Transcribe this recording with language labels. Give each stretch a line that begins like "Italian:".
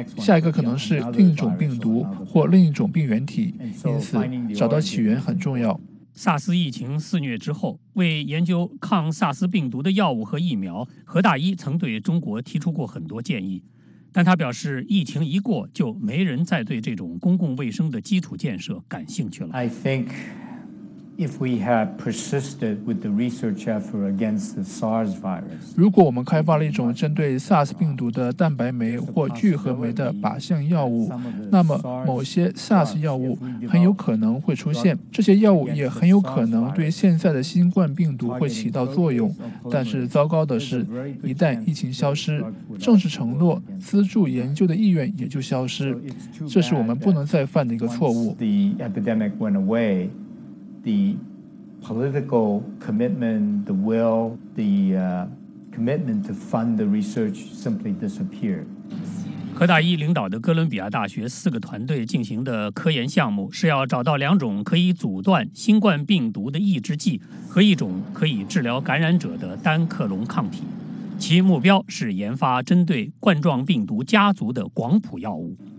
Chinese: 下一个可能是另一种病毒或另一种病原体，因此找到起源很重要。 SARS 疫情肆虐之后，为研究抗 SARS 病毒的药物和疫苗，何大一曾对中国提出过很多建议。但他表示，疫情一过，就没人再对这种公共卫生的基础建设感兴趣了。
English: I think if we had persisted with the research effort against the SARS virus,
Chinese: 如果我们开发了一种针对 SARS 病毒的蛋白酶或聚合酶的靶向药物，那么某些 SARS 药物很有可能会出现。这些药物也很有可能对现在的新冠病毒会起到作用。但是糟糕的是，一旦疫情消失，政治承诺、资助研究的意愿也就消失。这是我们不能再犯的一个错误。
English: The political commitment, the will, the commitment to fund the research simply disappeared.
Chinese: 何大一领导的哥伦比亚大学四个团队进行的科研项目是要找到两种可以阻断新冠病毒的抑制剂和一种可以治疗感染者的单克隆抗体，其目标是研发针对冠状病毒家族的广谱药物。